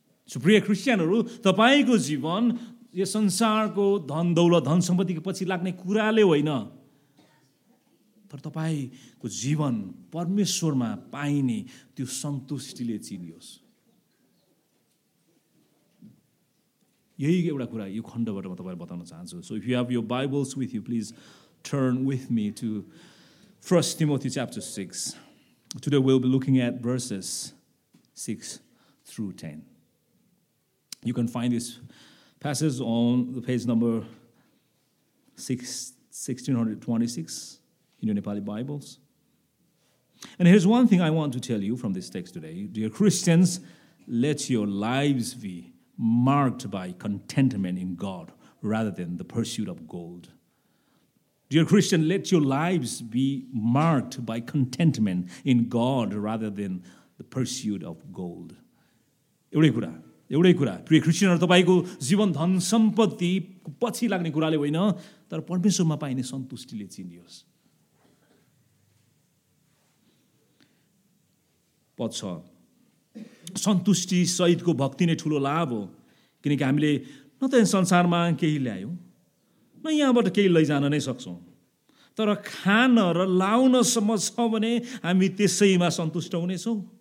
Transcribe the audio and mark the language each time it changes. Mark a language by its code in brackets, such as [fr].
[ne] सुप्रिय क्रिस्चियनहरू, तपाईँको जीवन यो संसारको धन दौलत धन सम्पत्तिको पछि लाग्ने कुराले होइन तर तपाईँको जीवन परमेश्वरमा पाइने त्यो सन्तुष्टिले चिनियोस्। यही एउटा कुरा यो खण्डबाट म तपाईँलाई बताउन चाहन्छु। [en] So if you have यो Bibles with you, please turn with me to 1 Timothy chapter 6। Today we'll be looking at verses 6 through 10. You can find this passage on the page number 1626 in your Nepali Bibles. And here's one thing I want to tell you from this text today. Dear Christians, let your lives be marked by contentment in God rather than the pursuit of gold. Dear Christian, let your lives be marked by contentment in God rather than the pursuit of gold. [ne] एउटै कुरा प्रिय क्रिस्चियनहरू, तपाईँको जीवन धन सम्पत्ति पछि लाग्ने कुराले होइन तर परमेश्वरमा पाइने सन्तुष्टिले चिनियोस्। पछ सन्तुष्टि सहितको भक्ति नै ठुलो लाभ हो, किनकि हामीले न त संसारमा केही ल्यायौँ न यहाँबाट केही लैजान नै सक्छौँ, तर खान र लाउनसम्म छ भने हामी त्यसैमा सन्तुष्ट हुनेछौँ।